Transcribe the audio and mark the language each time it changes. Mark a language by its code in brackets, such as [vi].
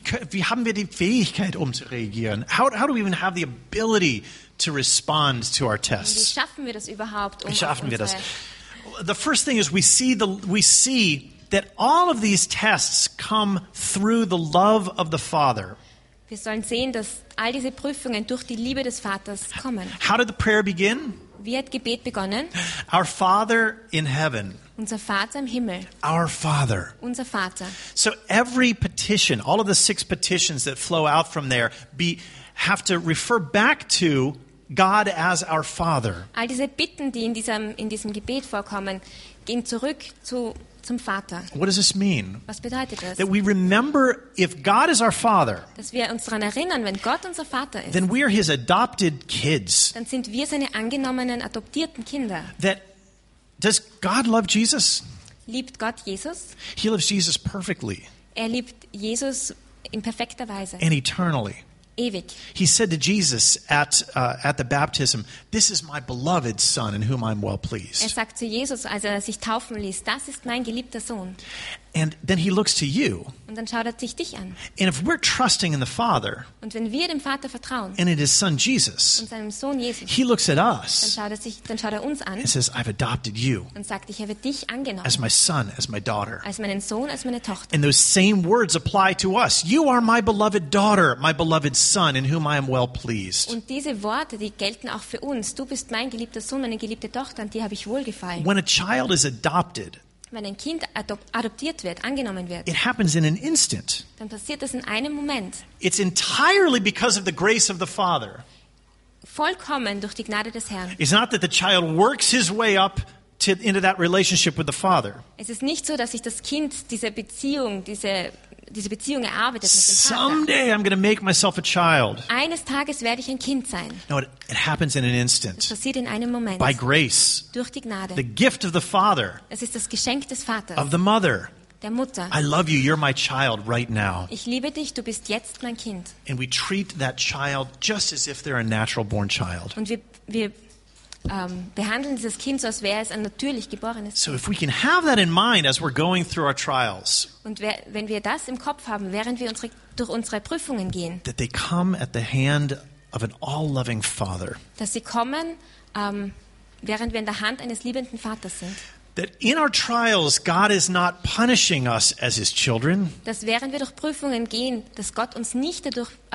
[de] Wie haben wir die Fähigkeit, um zu reagieren? [en] How do we even have the ability to respond to our tests? [de] Wie schaffen wir das überhaupt? Wie schaffen wir das? [en] The first thing is we see that all of these tests come through the love of the Father. [de] Wir sollen sehen, dass all diese Prüfungen durch die Liebe des Vaters kommen. [en] How did the prayer begin? [de] Wie hat Gebet begonnen? [en] Our Father in heaven. [de] Unser Vater im Himmel. [en] Our Father. [de] Unser Vater. [en] So every petition, all of the 6 petitions that flow out from there, have to refer back to God as our Father. [de] All diese Bitten, die in diesem Gebet vorkommen, gehen zurück zum Vater. [en] What does this mean? [de] Was bedeutet das? [en] That we remember if God is our Father. [de] Dass wir uns daran erinnern, wenn Gott unser Vater ist. [en] Then we are His adopted kids. [de] Dann sind wir seine angenommenen adoptierten Kinder. [en] Does God love Jesus? [de] Liebt Gott Jesus? [en] He loves Jesus perfectly. [de] Er liebt Jesus in perfekter Weise. [en] And eternally. [de] Ewig. [en] He said to Jesus at the baptism, "This is my beloved Son, in whom I am well pleased." [de] Er sagt zu Jesus, als er sich taufen ließ, "Das ist mein geliebter Sohn." [en] And then he looks to you. [de] Und dann schaut er sich dich an. [en] And if we're trusting in the Father, [de] und wenn wir dem Vater vertrauen, [en] and in His Son Jesus, [de] und seinem Sohn Jesus, [en] he looks at us. [de] Dann schaut er uns an. [en] And says, "I've adopted you." [de] Und sagt, ich habe dich angenommen. [en] As my son, as my daughter. [de] Als meinen Sohn, als meine Tochter. [en] And those same words apply to us. You are my beloved daughter, my beloved Son, in whom I am well pleased. [de] Und diese Worte, die gelten auch für uns. Du bist mein geliebter Sohn, meine geliebte Tochter, an die habe ich wohlgefallen. [en] When a child is adopted. [de] Wenn ein Kind adoptiert wird, angenommen wird, [en] it happens in an instant. [de] Dann passiert das in einem Moment. [en] It's entirely because of the grace of the Father. [de] Vollkommen durch die Gnade des Herrn. [en] It's not that the child works his way up into that relationship with the Father. [de] Es ist nicht so, dass sich das Kind diese Beziehung erarbeitet mit dem Vater. [en] Someday I'm going to make myself a child. [de] Eines Tages werde ich ein Kind sein. [en] No, it happens in an instant. [de] Das passiert in einem Moment. [en] By grace. [de] Durch die Gnade. [en] The gift of the Father. [de] Es ist das Geschenk des Vaters. [en] Of the Mother. [de] Der Mutter. [en] I love you, you're my child right now. [de] Ich liebe dich, du bist jetzt mein Kind. [en] And we treat that child just as if they're a natural born child. [de] Und wir behandeln dieses Kind, so als wäre es ein natürlich geborenes Kind. [en] So if we can have that in mind as we're going through our trials. [de] Und wenn wir das im Kopf haben, während wir durch unsere Prüfungen gehen. [en] That they come at the hand of an all-loving Father. [de] Dass sie kommen, während wir in der Hand eines liebenden Vaters sind. [en] That in our trials God is not punishing us as his children. [de] Dass während wir durch Prüfungen gehen, dass Gott uns nicht dadurch